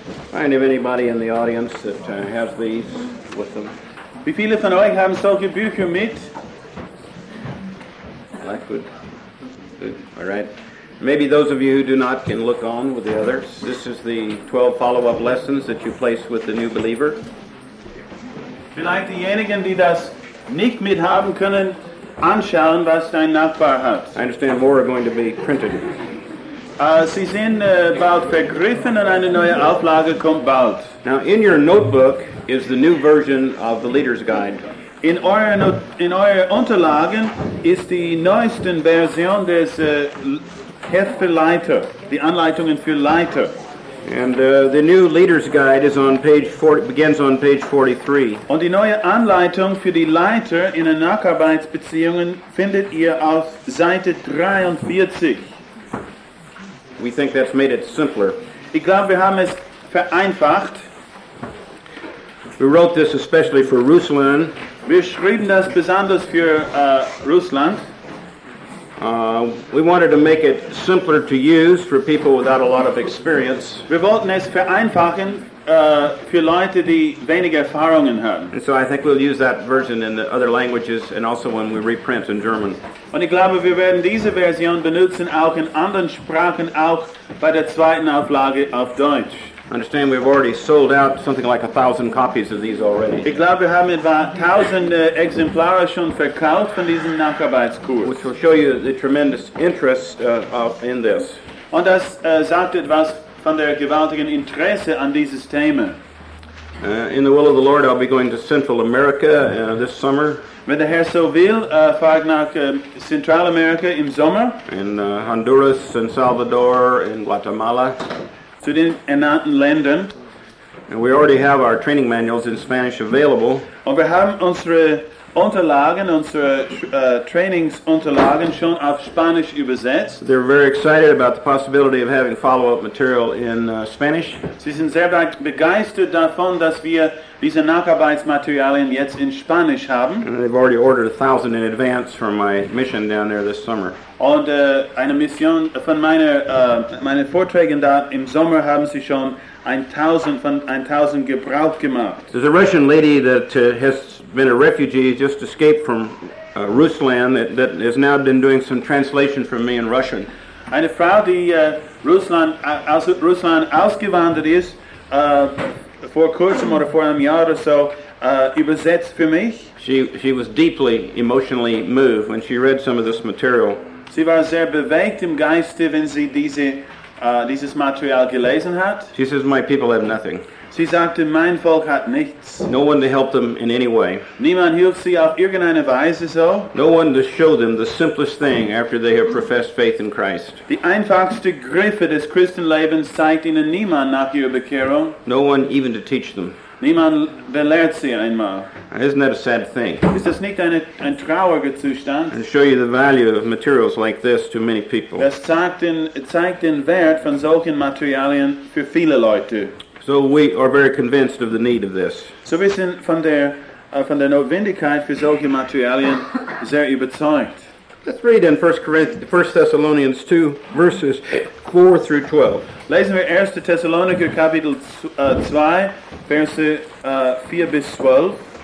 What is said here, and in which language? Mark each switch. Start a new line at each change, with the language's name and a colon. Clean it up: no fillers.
English: Find if anybody in the audience that has these with them.
German: Wie viele von euch haben solche Bücher mit?
English: That's good. Good. All right. Maybe those of you who do not can look on with the others. This is the 12 follow-up lessons that you place with the new believer.
German: Vielleicht diejenigen, die das nicht mithaben können, anschauen, was dein Nachbar hat.
English: I understand more are going to be printed.
German: Sie sind bald vergriffen und eine neue Auflage kommt bald.
English: Now, in your notebook is the new version of the Leader's Guide.
German: In eure Unterlagen ist die neuesten Version des Heft für Leiter, die Anleitungen für Leiter.
English: And the new Leader's Guide is on begins on page 43.
German: Und die neue Anleitung für die Leiter in den Nacharbeitsbeziehungen findet ihr auf Seite 43.
English: We think that's made it simpler.
German: Ich glaube, wir haben es vereinfacht.
English: We wrote this especially for Ruslan.
German: Wir schrieben das besonders für Ruslan.
English: We wanted to make it simpler to use for people without a lot of experience.
German: Wir wollten es vereinfachen für Leute, die wenig Erfahrungen haben.
English: And so I think we'll use that version in the other languages and also when we reprint in German.
German: Und ich glaube, wir werden diese Version benutzen auch in anderen Sprachen, auch bei der zweiten Auflage auf Deutsch.
English: Understand, we've already sold out something like 1,000 copies of these already.
German: Ich glaube, wir haben etwa 1,000 Exemplare schon verkauft von diesem Nacharbeitskurs.
English: Which will show you the tremendous interest in this.
German: Und das sagt etwas von der gewaltigen Interesse an dieses Thema.
English: In the will of the Lord, I'll be going to Central America this summer.
German: Wenn der Herr so will, fahre ich nach Zentralamerika im Sommer.
English: In Honduras, San Salvador, in Guatemala.
German: Zu den ernannten Ländern.
English: And we already have our training manuals in Spanish available.
German: Und wir haben unsere Unterlagen, unsere Trainingsunterlagen schon auf Spanisch übersetzt.
English: They're very excited about the possibility of having follow-up material in Spanish.
German: Sie sind sehr begeistert davon, dass wir diese Nacharbeitsmaterialien jetzt in Spanisch haben.
English: And they've already ordered 1,000 in advance for my mission down there this summer.
German: Und eine Mission von meinen Vorträgen da im Sommer haben sie schon 1,000 gebraucht gemacht.
English: There's a Russian lady that has been a refugee, just escaped from Ruslan, that has now been doing some translation for me in Russian.
German: Eine Frau, die Ruslan ausgewandert ist, vor kurzem oder vor einem Jahr oder so, übersetzt für mich.
English: She was deeply emotionally moved when she read some of this material.
German: Sie war sehr bewegt im Geiste, wenn sie dieses Material gelesen hat.
English: She says, my people have nothing.
German: Sie sagte, mein Volk hat nichts.
English: No one to help them in any way.
German: Niemand hilft sie auf irgendeine Weise so.
English: No one to show them the simplest thing after they have professed faith in Christ.
German: Die einfachste Griffe des Christenlebens zeigt ihnen niemand nach ihrer Bekehrung.
English: No one even to teach them.
German: Niemand belehrt sie einmal.
English: Isn't that a sad thing?
German: Ist das nicht ein trauriger Zustand?
English: And show you the value of materials like this to many people.
German: Das zeigt den Wert von solchen Materialien für viele Leute.
English: So we are very convinced of the need of this.
German: So wir sind von der Notwendigkeit für solche Materialien sehr überzeugt.
English: Let's read in 1 Thessalonians 2, verses 4 through 12.
German: Lesen wir 1. Thessaloniker, Kapitel 2, Verse 4 bis 12.